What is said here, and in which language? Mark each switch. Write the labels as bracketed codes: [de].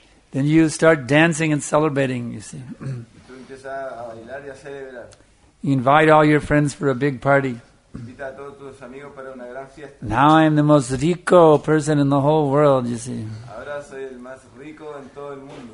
[en] Then you start dancing and celebrating, you see. [es] Tú empiezas a bailar y a celebrar. [en] You invite all your friends for a big party. [es] Invita a todos tus amigos para una gran fiesta. [en] Now I am the most rico person in the whole world, you see. [es] Ahora soy el más rico en todo el mundo.